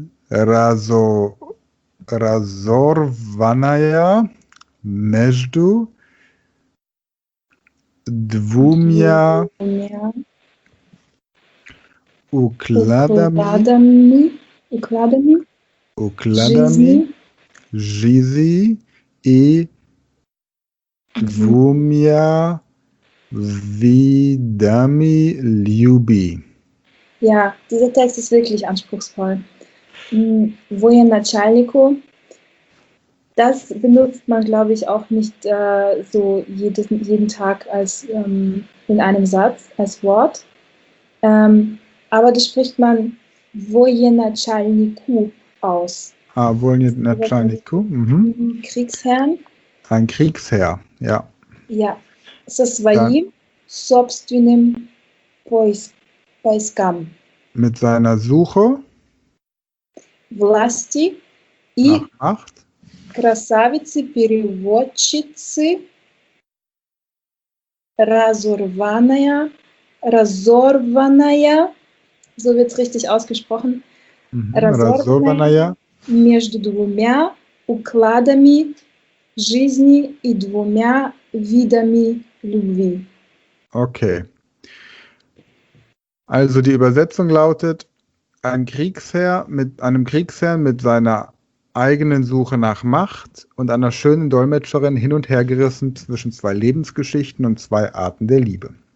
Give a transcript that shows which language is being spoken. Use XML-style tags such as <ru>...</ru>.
<ru>разорванная между двумя укладами жизни и двумя видами любви.</ru> <de>Ja, dieser Text ist wirklich anspruchsvoll. Военачальнику, das benutzt man, glaube ich, auch nicht so jeden Tag als in einem Satz, als Wort. Aber das spricht man Военачальнику aus. Ah, Военачальнику, Kriegsherrn. Ein Kriegsherr, ja.</de> <ru>Ja, со своим собственным поиском.</ru> <de>Mit seiner Suche.</de> <ru>Власти и красавицы-переводчицы разорванная,</ru> <de>so wird es richtig ausgesprochen,</de> <ru>разорванная между двумя укладами жизни и двумя видами любви.</ru> <de>Okay. Also die Übersetzung lautet, Ein Kriegsherr mit seiner eigenen Suche nach Macht und einer schönen Dolmetscherin hin und her gerissen zwischen zwei Lebensgeschichten und zwei Arten der Liebe.</de>